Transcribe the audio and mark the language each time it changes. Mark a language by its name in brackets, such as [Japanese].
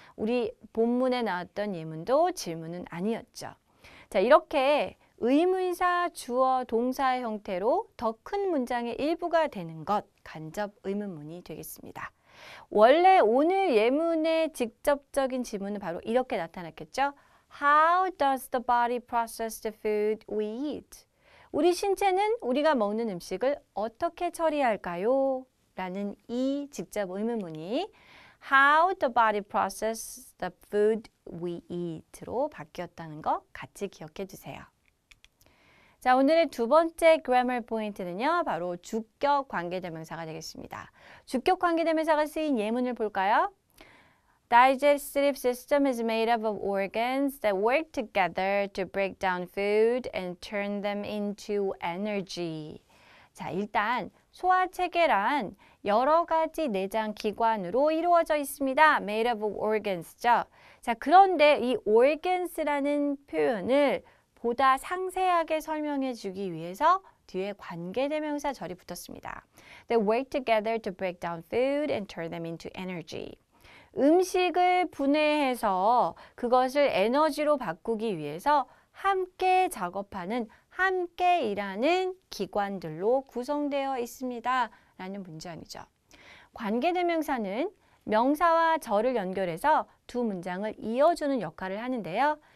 [Korean] 우리 본문에 나왔던 예문도 질문은 아니었죠. 자, 이렇게 의문사, 주어, 동사 형태로 더 큰 문장의 일부가 되는 것, 간접 의문문이 되겠습니다. 원래 오늘 예문의 직접적인 질문은 바로 이렇게 나타났겠죠. [English] How does the body process the food we eat? [Korean] 우리 신체는 우리가 먹는 음식을 어떻게 처리할까요? 라는 이 직접 의문문이 [English] How the body processes the food we eat [Korean] 로 바뀌었다는 거 같이 기억해 주세요. 자, 오늘의 두 번째 grammar point는요, 바로 주격 관계대명사가 되겠습니다. 주격 관계대명사가 쓰인 예문을 볼까요? [English] Digestive system is made up of organs that work together to break down food and turn them into energy. [Korean] 자, 일단 소화체계란 여러 가지 내장 기관으로 이루어져 있습니다. [English] Made of organs죠. [Korean] 자, 그런데 이 organs라는 표현을 보다 상세하게 설명해 주기 위해서 뒤에 관계대명사 절이 붙었습니다. [English] They work together to break down food and turn them into energy. [Korean] 음식을 분해해서 그것을 에너지로 바꾸기 위해서 함께 작업하는, 함께 일하는 기관들로 구성되어 있습니다. 라는 문장이죠. 관계대명사는 명사와 절을 연결해서 두 문장을 이어주는 역할을 하는데요.